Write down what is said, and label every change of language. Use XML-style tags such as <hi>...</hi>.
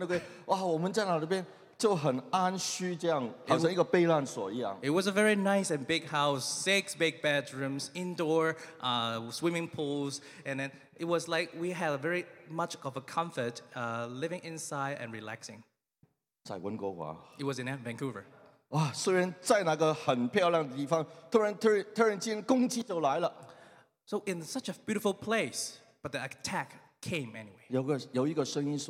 <zh>哇，那个地方有室内的，室内的有泳池，又有很大的房间，有六个房间，我们可以睡任何一个房间都可以。哇，我们在那边。就很安虚这样，好像一个避难所一样。It</zh> <en>was a very nice and big house, 6 big bedrooms, indoor swimming pools, and then it was like we had a very much of a comfort living inside and relaxing.</en> <zh>在温哥华。</zh> <en>It was in Vancouver.</en> <zh>哇，虽然在那个很漂亮的地方，突然间攻击就来了。</zh> <en>So in such a beautiful place, but the attack came anyway.</en>